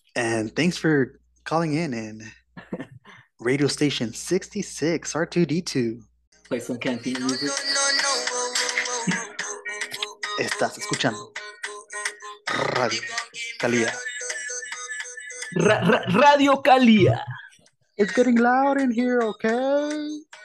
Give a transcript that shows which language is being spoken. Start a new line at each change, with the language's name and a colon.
English: And thanks for calling in and radio station 66 R2D2. Play some canteen music.
Spanish: Estás escuchando Radio Calia. Radio Calia.
English: It's getting loud in here, okay?